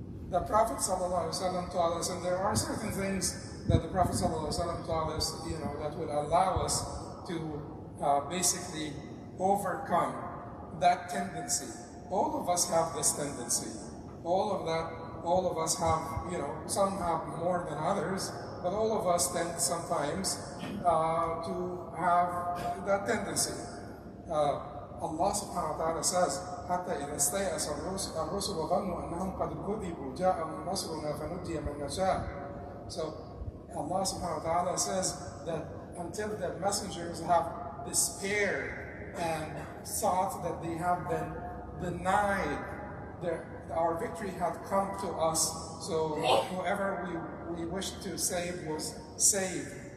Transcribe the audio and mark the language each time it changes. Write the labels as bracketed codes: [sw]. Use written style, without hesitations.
[en] The Prophet ﷺ taught us, and there are certain things that the Prophet ﷺ taught us, you know, that would allow us to basically overcome that tendency. All of us have this tendency. All of us have, you know, some have more than others, but all of us tend sometimes to have that tendency. Allah subhanahu wa ta'ala says, [ar] حَتَّى إِذَا اسْتَيْأَسَ الرُّسُلُ ظَنُّوا أَنَّهُمْ قَدْ كُذِبُوا جَاءَ نَصْرُنَا فَنُجِّيَ مَنْ نَشَاءَ. [en] So Allah subhanahu wa ta'ala says that until the messengers have despair and thought that they have been denied, our victory had come to us, so whoever we wished to save was saved.